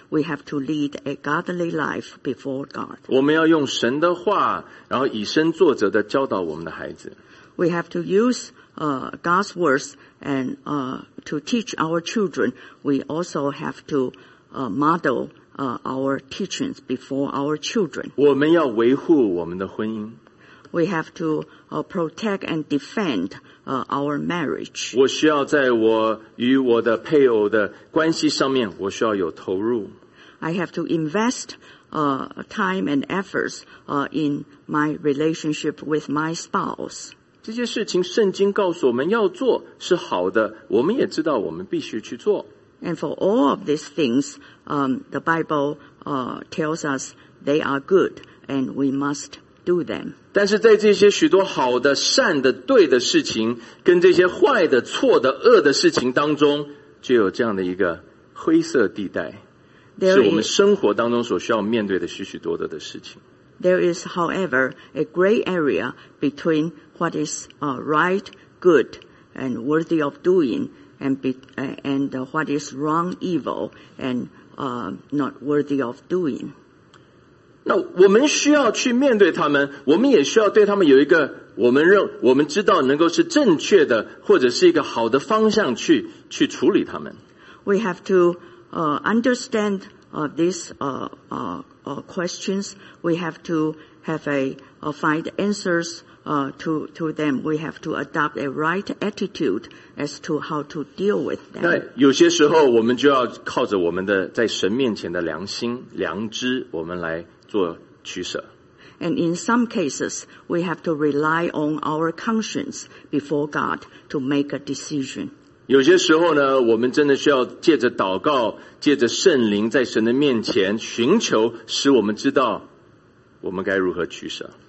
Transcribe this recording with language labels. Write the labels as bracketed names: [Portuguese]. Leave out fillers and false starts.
[English] We have to lead a godly life before God. [Chinese] 我们要用神的话，然后以身作则的教导我们的孩子。 [English] We have to use God's words and to teach our children. We also have to model our teachings before our children. [Chinese] 我们要维护我们的婚姻。 [English] We have to protect and defend our marriage. [Chinese] 我需要在我与我的配偶的关系上面，我需要有投入。 [English] I have to invest time and efforts in my relationship with my spouse. [Chinese] 这些事情圣经告诉我们要做是好的，我们也知道我们必须去做。 [English] And for all of these things, the Bible tells us they are good and we must do them. [Chinese] 但是在这些许多好的、善的、对的事情跟这些坏的、错的、恶的事情当中，就有这样的一个灰色地带，是我们生活当中所需要面对的许许多多的事情。 [English] There is, however, a gray area between what is right, good, and worthy of doing, and what is wrong, evil, and not worthy of doing. [Chinese] 那我们需要去面对他们，我们也需要对他们有一个我们知道能够是正确的，或者是一个好的方向去处理他们。 [English] We have to understand these questions. We have to have a find answers to them. We have to adopt a right attitude as to how to deal with them. [Chinese] 那有些时候我们就要靠着我们的在神面前的良心、良知，我们来做取舍。 [English] And in some cases, we have to rely on our conscience before God to make a decision. [Chinese] 有些时候呢，我们真的需要借着祷告，借着圣灵在神的面前寻求，使我们知道我们该如何取舍。